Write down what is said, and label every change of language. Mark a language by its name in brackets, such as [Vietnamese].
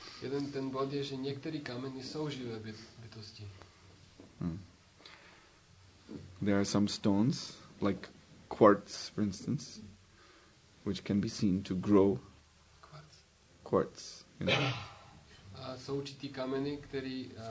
[Czech] Jeden ten bod je, že některé kameny jsou živé bytosti. [English] There are some stones, like quartz, for instance, which can be seen to grow. Quartz. Quartz. You know. [Czech] Jsou určitý kameny, který